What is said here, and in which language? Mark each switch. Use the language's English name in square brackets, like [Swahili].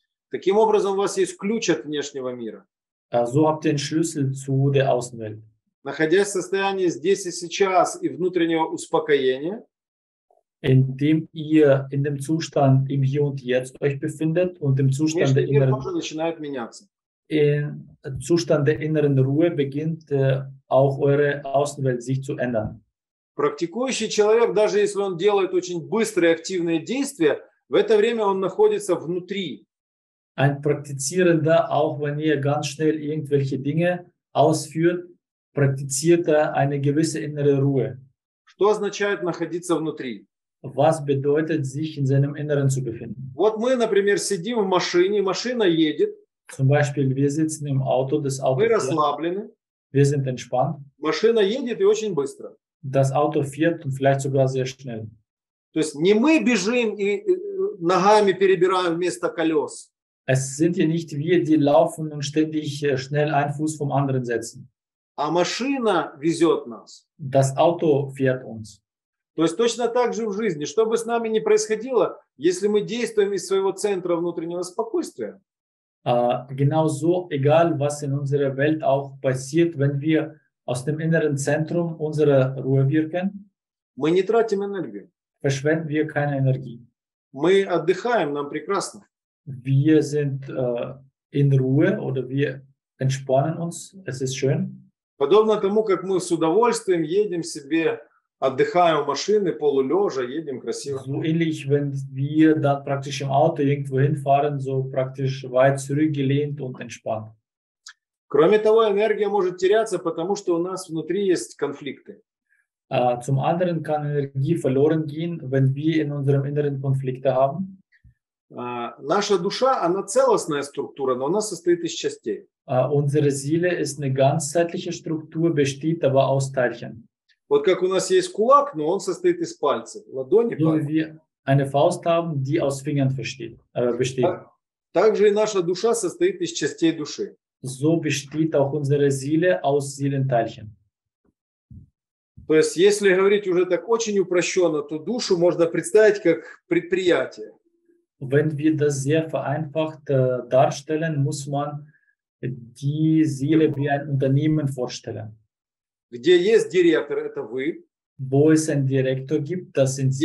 [Russian] Таким образом, у вас есть ключ от внешнего мира. [German] So habt ihr den Schlüssel zu der Außenwelt. [Russian] находясь в состоянии здесь и сейчас и внутреннего успокоения, [German] indem ihr in dem Zustand im Hier und Jetzt euch befindet und im Zustand der inneren Ruhe [Russian] начинает меняться. [German] In Zustand der inneren Ruhe beginnt auch eure Außenwelt sich zu ändern. [Russian] Практикующий человек, даже если он делает очень быстрые активные действия, в это время он находится внутри. [German] Ein Praktizierender, auch wenn er ganz schnell irgendwelche Dinge ausführt, praktiziert eine gewisse innere Ruhe. [Russian] Что означает находиться внутри? [German] Was bedeutet, sich in seinem Inneren zu befinden? [Russian] Вот мы, например, сидим в машине, машина едет. [German] Zum Beispiel, wir sitzen im Auto, das Auto fährt. [Russian] Мы расслаблены. [German] Wir sind entspannt. [Russian] Машина едет и очень быстро. [German] Das Auto fährt und vielleicht sogar sehr schnell. [Russian] То есть не мы бежим и ногами перебираем вместо колес. [German] Es sind ja nicht wir, die laufen und ständig schnell einen Fuß vom anderen setzen. [Russian] А машина везет нас. [German] Das Auto fährt uns. [Russian] То есть точно так же в жизни. Что бы с нами ни происходило, если мы действуем из своего центра внутреннего спокойствия, [German] genauso, egal was in unserer Welt auch passiert, wenn wir aus dem inneren Zentrum unserer Ruhe wirken, [Russian] мы не тратим энергию. [German] Verschwenden wir keine Energie. [Russian] Мы отдыхаем, нам прекрасно. [German] Wir sind in Ruhe oder wir entspannen uns. Es ist schön. [Russian] Подобно тому, как мы с удовольствием едем себе, отдыхаем в машине, полулежа, едем красиво. [German] So ähnlich, wenn wir dann praktisch im Auto irgendwo hinfahren, so praktisch weit zurückgelehnt und entspannt. [Russian] Кроме того, энергия может теряться, потому что у нас внутри есть конфликты. [German] Zum anderen kann Energie verloren gehen, wenn wir in unserem inneren Konflikte haben. [Russian] Наша душа, она целостная структура, но она состоит из частей. [German] Unsere Seele ist eine ganzheitliche Struktur, besteht aber aus Teilchen. [Russian] Вот как у нас есть кулак, но он состоит из пальцев, ладони. [German] So wie wir eine Faust haben, die aus Fingern besteht. [Russian] Также и наша душа состоит из частей души. [German] So besteht auch unsere Seele aus Seelenteilchen. [Russian] То есть, если говорить уже так очень упрощенно, то душу можно представить как предприятие. [German] Wenn wir das sehr vereinfacht darstellen, muss man die Seele wie ein Unternehmen vorstellen. [Russian] Где есть директор, это вы. [German] Wo es einen Direktor gibt, das sind Sie.